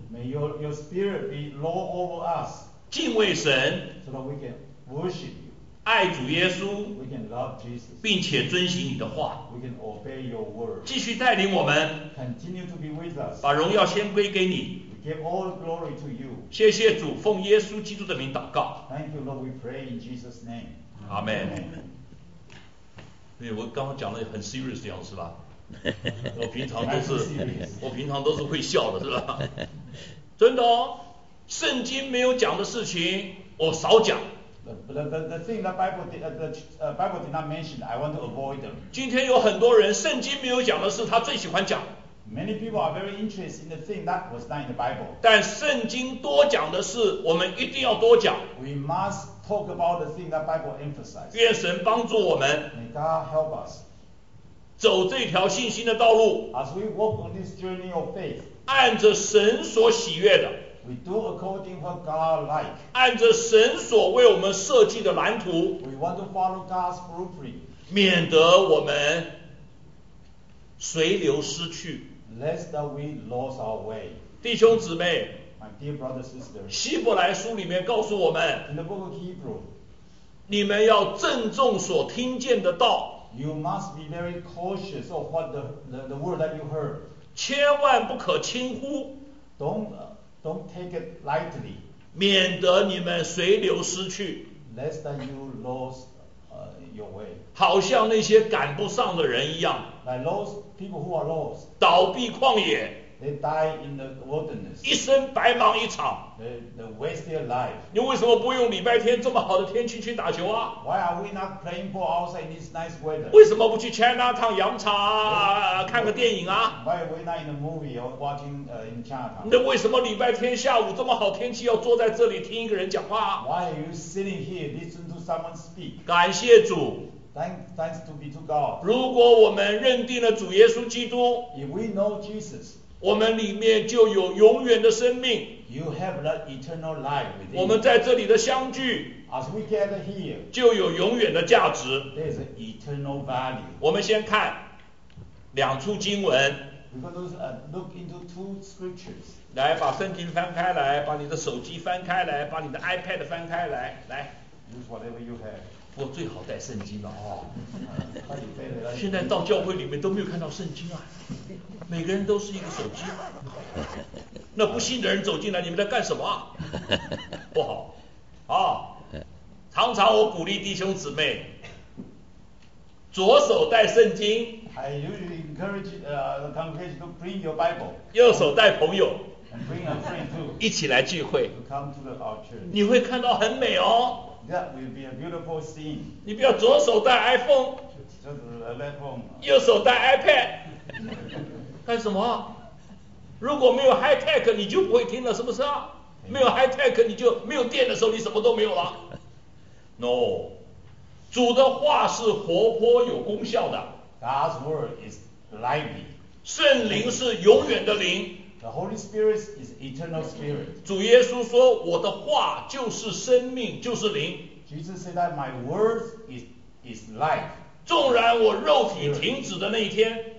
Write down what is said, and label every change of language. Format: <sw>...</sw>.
<en>May your spirit be Lord over us.</en> <zh>敬畏神。</zh> <en>So that we can worship.</en> <zh>爱主耶稣</zh> <en>We can love Jesus.</en> <zh>并且遵行你的话</zh> <en>We can obey your word.</en> <zh>继续带领我们</zh> <en>Continue to be with us.</en> <zh>把荣耀先归给你</zh> <en>We give all glory to you.</en> <zh>谢谢主奉耶稣基督的名祷告</zh> <en>Thank you Lord we pray in Jesus name Amen, Amen.</en> <zh>我刚刚讲的很 serious 这样是吧我平常都是我平常都是会笑的是吧真的哦圣经没有讲的事情我少讲</zh> <en>The thing that Bible did not mention, I want to avoid them.</en> <zh>今天有很多人，圣经没有讲的是他最喜欢讲。</zh> <en>Many people are very interested in the thing that was not in the Bible.</en> <zh>但圣经多讲的是，我们一定要多讲。</zh> <en>We must talk about the thing that Bible emphasized.</en> <zh>愿神帮助我们。</zh> <en>May God help us.</en> <zh>走这条信心的道路。</zh> <en>As we walk on this journey of faith.</en> <zh>按着神所喜悦的。</zh> <en>We do according what God like.</en> <zh>按着神所为我们设计的蓝图。</zh> <en>We want to follow God's blueprint.</en> <zh>免得我们随流失去。</zh> <en>Lest that we lose our way.</en> <zh>弟兄姊妹。</zh> <en>My dear brothers and sisters.</en> <zh>希伯来书里面告诉我们。</zh> <en>In the book of Hebrew.</en> <zh>你们要郑重所听见的道。</zh> <en>You must be very cautious of what the word that you heard.</en> <zh>千万不可轻忽。</zh> <en>Don't take it lightly.</en> <zh>免得你们随流失去。</zh> <en>Lest that you lose your way.</en> <zh>好像那些赶不上的人一样。</zh> <en>Like those people who are lost.</en> <zh>倒闭旷野。</zh> <en>They die in the wilderness.</en> <zh>一生白忙一场。</zh> <en>They waste their life.</en> <zh>你为什么不用礼拜天这么好的天气去打球啊？</zh> <en>Why are we not playing ball outside in this nice weather?</en> <zh>为什么不去 Chinatown 洋茶看个电影啊？</zh> <en>Why are we not in the movie or watching in Chinatown?</en> <zh>那为什么礼拜天下午这么好天气要坐在这里听一个人讲话？</zh> <en>Why are you sitting here listening to someone speak?</en> <zh>感谢主。</zh> <en>Thanks to be to God.</en> <zh>如果我们认定了主耶稣基督，</zh> <en>If we know Jesus.</en> <zh>我们里面就有永远的生命。</zh> <en>You have the eternal life within you.</en> <zh>我们在这里的相聚，</zh> <en>As we gather here,</en> <zh>就有永远的价值。</zh> <en>There is an eternal value.</en> <zh>我们先看两处经文。</zh> <en>Look into two scriptures.</en> <zh>来，把圣经翻开来，把你的手机翻开来，把你的 iPad 翻开来，来。</zh> <en>Use whatever you have.</en> <zh>我最好带圣经了哦。现在到教会里面都没有看到圣经啊，每个人都是一个手机。那不信的人走进来，你们在干什么？不好啊！常常我鼓励弟兄姊妹，左手带圣经。</zh> <en>I usually encourage the congregation to bring your Bible.</en> <zh>右手带朋友。</zh> <en>And bring a friend too.</en> <zh>一起来聚会。</zh> <en>Come to our church.</en> <zh>你会看到很美哦。</zh> <en>That will be a beautiful scene.</en> <zh>你不要左手带 iPhone， 右手带 iPad， 干什么？如果没有 high tech， 你就不会听了，是不是啊？没有 high tech， 你就没有电的时候，你什么都没有了。</zh> <en>No，</en> <zh>主的话是活泼有功效的。</zh> <en>God's word is lively.</en> <zh>圣灵是永远的灵。</zh> <en>The Holy Spirit is eternal spirit.</en> <zh>主耶稣说，我的话就是生命，就是灵。</zh> <en>Jesus said that my words is life.</en> <zh>纵然我肉体停止的那一天，</zh>